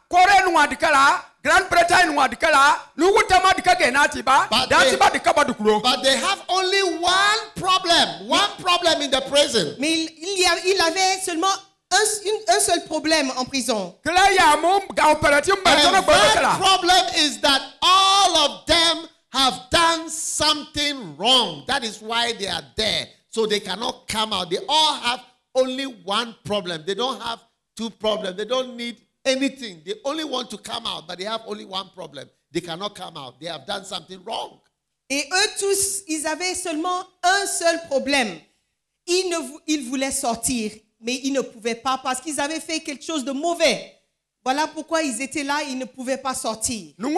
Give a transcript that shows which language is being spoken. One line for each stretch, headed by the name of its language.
English: But they have only one problem in the prison.
French: Mais il avait seulement un seul problème en prison.
English: And that problem is that all of them have done something wrong. That is why they are there. So they cannot come out. They all have only one problem. They don't have two problems. They don't need anything. They only want to come out, but they have only one problem. They cannot come out. They have done something wrong.
French: Et eux tous, ils avaient seulement un seul problème. Ils voulaient sortir, mais ils ne pouvaient pas parce qu'ils avaient fait quelque chose de mauvais. Voilà pourquoi ils étaient là, ils ne pouvaient pas sortir.